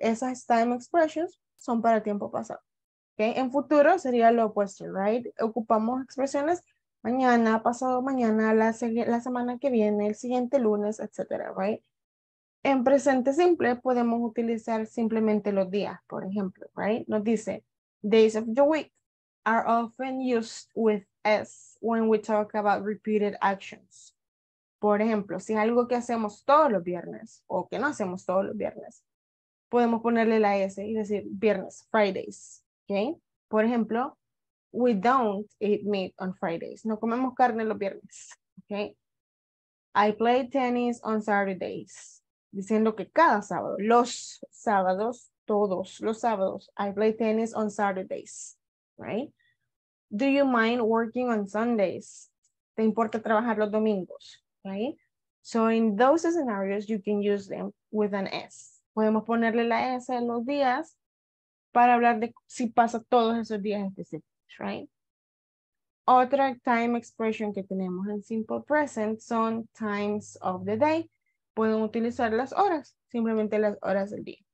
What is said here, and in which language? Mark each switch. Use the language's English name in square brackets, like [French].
[Spanish] Esas time expressions son para tiempo pasado. ¿Ok? En futuro sería lo opuesto, right? Ocupamos expresiones mañana, pasado mañana, la semana que viene, el siguiente lunes, etcétera, right? En presente simple podemos utilizar simplemente los días, por ejemplo, right? [English] Nos dice, days of the week are often used with S when we talk about repeated actions. [Spanish] Por ejemplo, si es algo que hacemos todos los viernes o que no hacemos todos los viernes, podemos ponerle la S y decir viernes, Fridays, okay? [English] Por ejemplo, we don't eat meat on Fridays. [Spanish] No comemos carne los viernes, okay? I play tennis on Saturdays. Diciendo que cada sábado, los sábados, todos los sábados, I play tennis on Saturdays, right? [English] Do you mind working on Sundays? ¿Te importa trabajar los domingos? Right? So in those scenarios, you can use them with an S. [Spanish] Podemos ponerle la S en los días para hablar de si pasa todos esos días específicos, right? Otra time expression que tenemos en simple present son times of the day. Pueden utilizar las horas, simplemente las horas del día.